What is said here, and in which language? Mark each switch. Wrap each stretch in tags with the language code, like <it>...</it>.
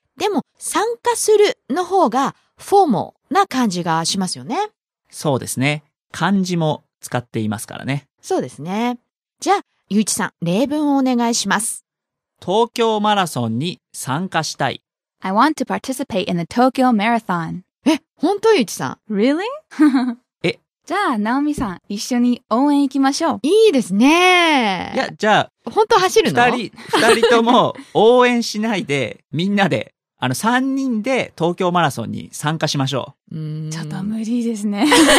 <ja>でも参加するの方がフォーマルな感じがしますよね。そうですね。漢字も使っていますからね。そうですね。じゃあ、ゆういちさん、例文をお願いします。東京マラソンに参加したい。</ja> <en>I want to participate in the Tokyo Marathon.</en> <ja>え、本当ゆういちさん。</ja> <en>Really?</en> <ja>じゃあ、ナオミさん、一緒に応援行きましょう。いいですね。いや、じゃあ、本当走るの？二人とも応援しないで、みんなで、三人で東京マラソンに参加しましょう。ちょっと無理ですね。</ja>